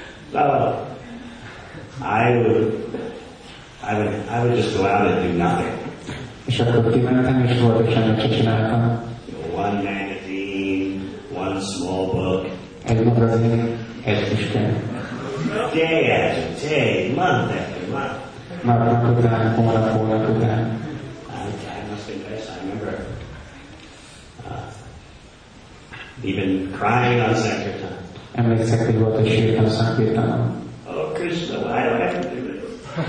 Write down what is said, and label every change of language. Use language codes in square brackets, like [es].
[en] So I would just go out and do nothing. [hu] És akkor kimentem, és volt, hogy semmit sem csináltam. One magazine, one small book. Egy magazin, egy kis könyv. [en] Day after day, month after month. [hu] Már napok után, hónap után. I must confess, I remember even crying on Sankirtan. Emlékszek, hogy volt, hogy sírtam Sankirtan. [en] Oh, Krishna, why do I have to do this?